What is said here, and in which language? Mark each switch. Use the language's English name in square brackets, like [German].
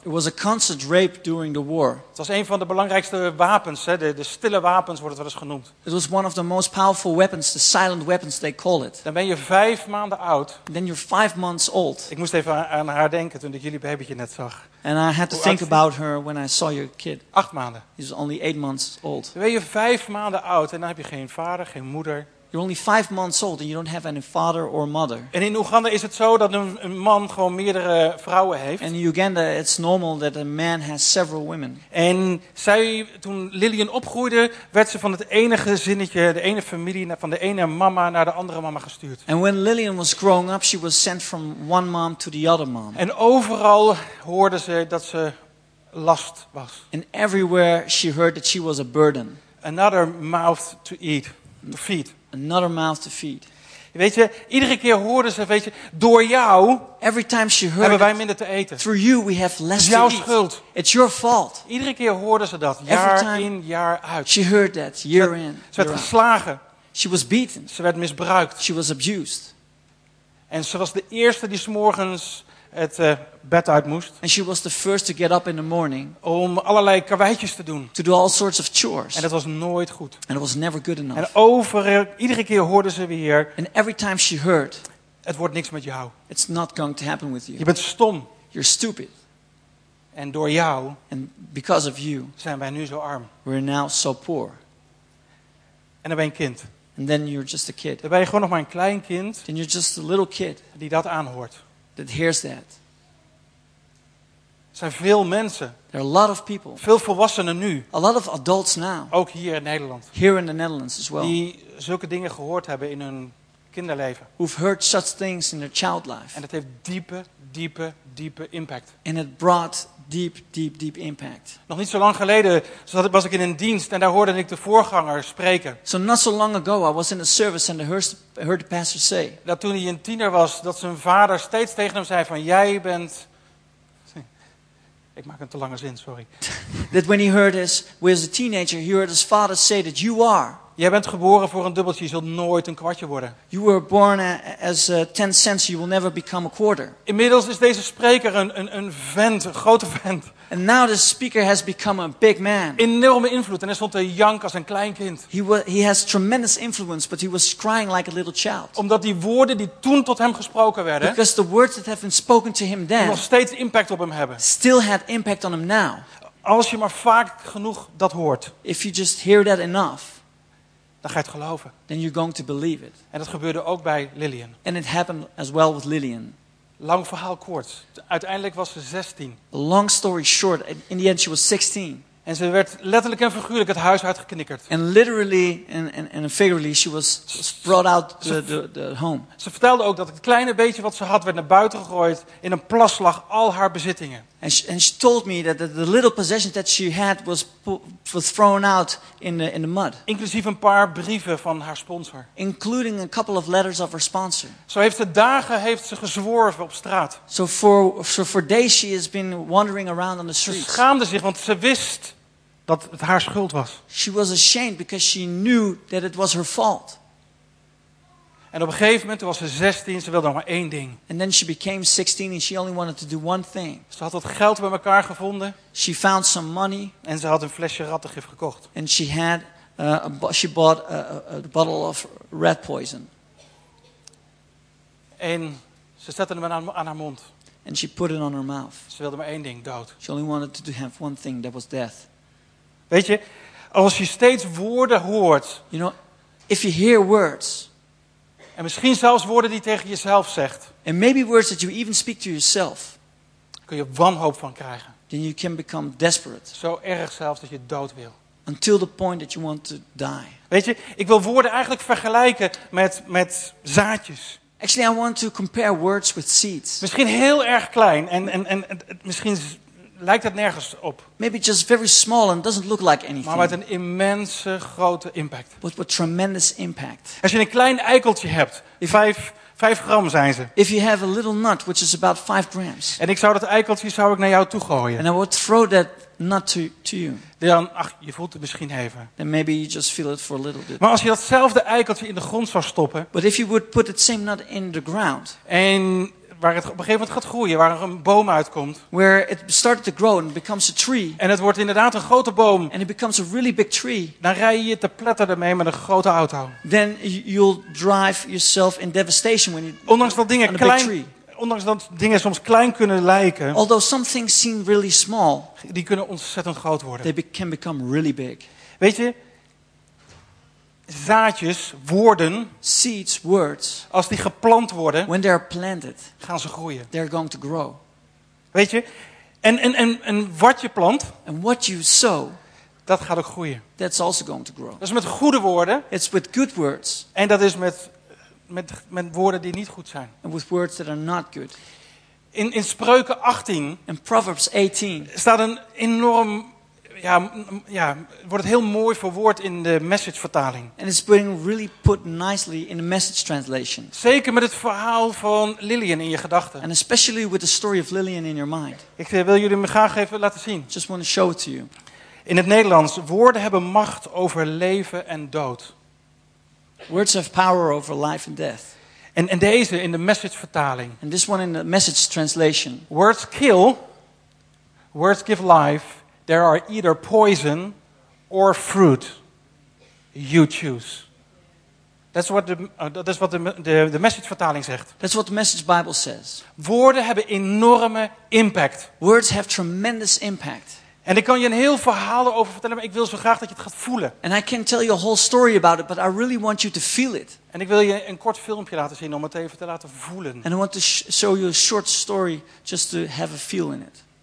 [English] It was a constant rape during the war. [Dutch] Het was een van de belangrijkste wapens, hè, de stille wapens wordt het wel eens genoemd. [English] It was one of the most powerful weapons, the silent weapons they call it. [Dutch] Dan ben je 5 maanden oud. [English] Then you're 5 months old. [Dutch] Ik moest even aan haar denken toen ik jullie babytje net zag. [English] And I had to think about her when I saw your kid. [Dutch] 8 maanden. [English] He's only 8 months old. [Dutch] Dan ben je 5 maanden oud en dan heb je geen vader, geen moeder. [English] You're only 5 months old and you don't have any father or mother. [Dutch] En in Oeganda is het zo dat een man gewoon meerdere vrouwen heeft. [English] And in Uganda it's normal that a man has several women. [Dutch] En zij, toen Lillian opgroeide, werd ze van het ene gezinnetje, de ene familie, van de ene mama naar de andere mama gestuurd. [English] And when Lillian was growing up, she was sent from one mom to the other mom. [Dutch] En overal hoorde ze dat ze last was. [English] And everywhere she heard that she was a burden. Another mouth to eat, to feed. Another mouth to feed. [Dutch] Weet je, iedere keer hoorde ze, weet je, door jou. [English] Every time she heard, [Dutch] hebben wij minder te eten. [English] Through you, we have less. [Dutch] Jouw schuld. [English] It's your fault. [Dutch] Iedere keer hoorde ze dat, jaar in, jaar uit. [English] She heard that year in. [Dutch] Ze werd geslagen. [English] She was beaten. [Dutch] Ze werd misbruikt. [English] She was abused. [Dutch] En ze was de eerste die 's morgens het bed uit moest. [English] And she was the first to get up in the morning. [Dutch] Om allerlei karweitjes te doen. [English] To do all sorts of chores. [Dutch] En dat was nooit goed. [English] And it was never good enough. [Dutch] En iedere keer hoorde ze weer. [English] And every time she heard. [Dutch] Het wordt niks met jou. [English] It's not going to happen with you. [Dutch] Je bent stom. [English] You're stupid. [Dutch] En door jou. [English] And because of you. [Dutch] Zijn wij nu zo arm. [English] We're now so poor. [Dutch] En dan ben je een kind. [English] And then you're just a kid. [Dutch] Dan ben je gewoon nog maar een klein kind. [English] Then you're just a little kid. [Dutch] Die dat aanhoort. [English] That hears that. [Dutch] Er zijn veel mensen. [English] There are a lot of people. [Dutch] Veel volwassenen nu. [English] A lot of adults now. [Dutch] Ook hier in Nederland. [English] Here in the Netherlands as well. [Dutch] Die zulke dingen gehoord hebben in hun kinderleven. [English] Who've heard such things in their child life. [Dutch] En het heeft diepe, diepe, diepe impact. [English] And it brought deep, deep, deep impact. [Dutch] Nog niet zo lang geleden was ik in een dienst en daar hoorde ik de voorganger spreken. [English] So not so long ago I was in a service and I heard the pastor say. [Dutch] Dat toen hij een tiener was, dat zijn vader steeds tegen hem zei van jij bent. Ik maak een te lange zin, sorry. [English] That when he heard this, was a teenager, he heard his father say that you are. [Dutch] Jij bent geboren voor een dubbeltje, je zult nooit een kwartje worden. [English] You were born as 10 cents, you will never become a quarter. [Dutch] Inmiddels is deze spreker een vent, een grote vent. [English] And now the speaker has become a big man. [Dutch] Enorme invloed en hij stond te janken als een klein kind. [English] He has tremendous influence, but he was crying like a little child. [Dutch] Omdat die woorden die toen tot hem gesproken werden. [English] Because the words that have been spoken to him then. [Dutch] Nog steeds impact op hem hebben. [English] Still had impact on him now. [Dutch] Als je maar vaak genoeg dat hoort. [English] If you just hear that enough. [Dutch] Dan ga je het geloven. [English] Then you're going to believe it. [Dutch] En dat gebeurde ook bij Lillian. [English] And it happened as well with Lillian. [Dutch] Lang verhaal kort. Uiteindelijk was ze 16. [English] Long story short, in the end she was 16. [Dutch] En ze werd letterlijk en figuurlijk het huis uitgeknikkerd. [English] And literally and figuratively she was brought out the home. [Dutch] Ze vertelde ook dat het kleine beetje wat ze had werd naar buiten gegooid in een plasslag al haar bezittingen. [English] And she told me that the little possessions that she had was thrown out in the mud. [Dutch] Inclusief een paar brieven van haar sponsor. [English] Including a couple of letters of her sponsor. [Dutch] Zo heeft ze dagen heeft ze gezworven op straat. [English] So for days she has been wandering around on the streets. [Dutch] Ze schaamde zich want ze wist dat het haar schuld was. [English] She was ashamed because she knew that it was her fault. [Dutch] En op een gegeven moment, toen was ze 16, ze wilde nog maar één ding. [English] And then she became 16 and she only wanted to do one thing. [Dutch] Ze had wat geld bij elkaar gevonden. [English] She found some money. [Dutch] En ze had een flesje rattengif gekocht. [English] And she had she bought a bottle of rat poison. [Dutch] En ze zette hem aan haar mond. [English] And she put it on her mouth. [Dutch] Ze wilde maar één ding, dood. [English] She only wanted to have one thing, that was death. [Dutch] Weet je, als je steeds woorden hoort. [English] You know, if you hear words. [Dutch] En misschien zelfs woorden die tegen jezelf zegt. [English] And maybe words that you even speak to yourself. [Dutch] Kun je wanhoop van krijgen. [English] Then you can become desperate. [Dutch] Zo erg zelfs dat je dood wil. [English] Until the point that you want to die. [Dutch] Weet je, ik wil woorden eigenlijk vergelijken met zaadjes. [English] Actually, I want to compare words with seeds. [Dutch] Misschien heel erg klein en misschien lijkt het nergens op. [English] Maybe just very small and doesn't look like anything. [Dutch] Maar met een immense grote impact. [English] But with tremendous impact. [Dutch] Als je een klein eikeltje hebt, vijf gram zijn ze. [English] If you have a little nut, which is about 5 grams. [Dutch] En ik zou dat eikeltje zou ik naar jou toe gooien. [English] And I would throw that nut to you. [Dutch] Dan, ach, je voelt het misschien even. [English] Then maybe you just feel it for a little bit. [Dutch] Maar als je datzelfde eikeltje in de grond zou stoppen. [English] But if you would put that same nut in the ground. [Dutch] En waar het op een gegeven moment gaat groeien, waar er een boom uitkomt. [English] Where it started to grow and becomes a tree. [Dutch] En het wordt inderdaad een grote boom. [English] And it becomes a really big tree. [Dutch] Dan rij je te pletter ermee met een grote auto. [English] Then you'll drive yourself in devastation when you. [Dutch] Ondanks dat dingen klein. Ondanks dat dingen soms klein kunnen lijken. [English] Although some things seem really small. [Dutch] Die kunnen ontzettend groot worden. [English] They can become really big. [Dutch] Weet je? zaadjes, woorden, [English] seeds, words, [Dutch] als die geplant worden, [English] when they are planted, [Dutch] gaan ze groeien. [English] They're going to grow. [Dutch] Weet je? En wat je plant, [English] and what you sow, [Dutch] dat gaat ook groeien. [English] That's also going to grow. [Dutch] Dat is met goede woorden. [English] It's with good words. [Dutch] En dat is met woorden die niet goed zijn. [English] And with words that are not good. [Dutch] In Spreuken 18, [English] in Proverbs 18, [Dutch] staat een enorm, ja, wordt het heel mooi verwoord in de Message vertaling. [English] And it's being really put nicely in the Message translation. [Dutch] Zeker met het verhaal van Lillian in je gedachten. [English] And especially with the story of Lillian in your mind. [Dutch] Ik wil jullie me graag even laten zien. [English] Just want to show it to you. [Dutch] In het Nederlands: woorden hebben macht over leven en dood. [English] Words have power over life and death. [Dutch] En deze in de Message vertaling. [English] And this one in the Message translation. Words kill, words give life. There are either poison or fruit. You choose. That's what the Message [Dutch] vertaling zegt. [English] That's what the Message Bible says. [Dutch] Woorden hebben enorme impact. [English] Words have tremendous impact. [Dutch] En ik kan je een heel verhaal over vertellen, maar ik wil zo graag dat je het gaat voelen. [English] And I can tell you a whole story about it, but I really want you to feel it. [Dutch] En ik wil je een kort filmpje laten zien om het even te laten voelen. [English] And I want to show you a short story just to have a feel in it.